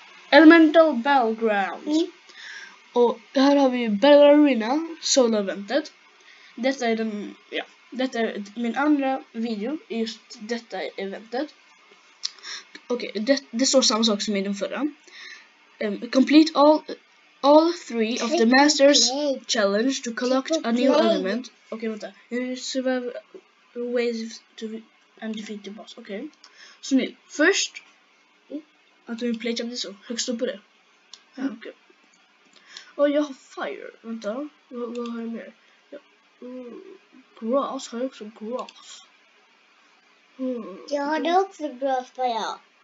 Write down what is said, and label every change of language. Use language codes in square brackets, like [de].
[sv] Elemental Battleground. Mm. Och här har vi Ballerina Solo Eventet. Detta är den... Ja, detta är min andra video i just detta eventet. Okej, det står samma sak som i den förra. [en] Complete all three of the masters challenge to collect a new element. [sv] Okej, vänta. [en] Survive waves to defeat the boss. [sv] Okej. Så nu, först att vi play champion så högst upp på det. Ja, okej. Och jag har fire. Vänta. Vad har jag mer? Ja. Grass, har jag också grass. Jag har också grass på jag.